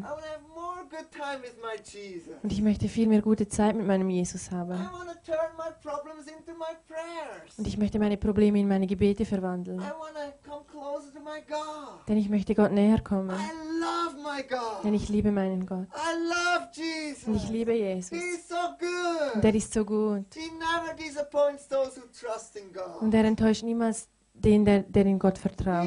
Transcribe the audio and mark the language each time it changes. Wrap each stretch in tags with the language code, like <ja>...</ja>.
<en>I wanna have more good time with my Jesus.</en> <de>Und ich möchte viel mehr gute Zeit mit meinem Jesus haben.</de> <en>I wanna turn my problems into my prayers.</en> <de>Und ich möchte meine Probleme in meine Gebete verwandeln.</de> <en>I wanna come closer to my God.</en> <de>Denn ich möchte Gott näher kommen.</de> <en>I love my God.</en> <de>Denn ich liebe meinen Gott.</de> <en>I love Jesus.</en> <de>Und ich liebe Jesus.</de> <en>He is so good.</en> <de>Und er ist so gut.</de> <en>He never disappoints those who trust in God.</en> <de>Und er enttäuscht niemals den, der in Gott vertraut.</de>